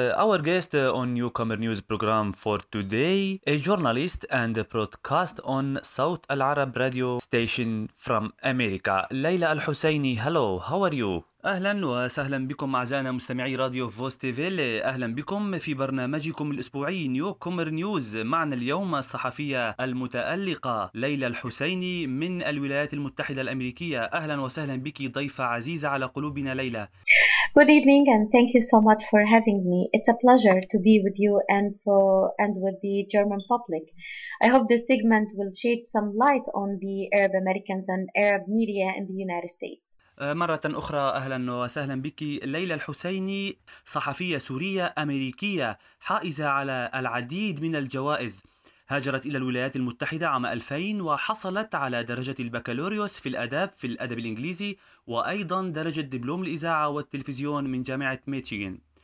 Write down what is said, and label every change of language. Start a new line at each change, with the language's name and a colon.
English: Our guest on Newcomer News program for today, a journalist and a broadcast on Saut Al Arab radio station from America. Leila Al Husseini, hello, how are you?
Arabic: أهلا وسهلا بكم أعزائنا مستمعي راديو فوستيفيل، أهلا بكم في برنامجكم الأسبوعي نيوكومر نيوز. معنا اليوم الصحفية المتألقة ليلى الحسيني من الولايات المتحدة الأمريكية. أهلا وسهلا بك ضيفة عزيزة على قلوبنا ليلى.
English: Good evening and thank you so much for having me. It's a pleasure to be with you and for and with the German public. I hope this segment will shed some light on the Arab Americans and Arab media in the United States.
Arabic: مرة أخرى أهلا وسهلا بك ليلى الحسيني، صحفية سورية أمريكية حائزة على العديد من الجوائز. هاجرت إلى الولايات المتحدة عام 2000 وحصلت على درجة البكالوريوس في الأداب في الأدب الإنجليزي وأيضا درجة دبلوم الإذاعة والتلفزيون من جامعة ميتشيغان.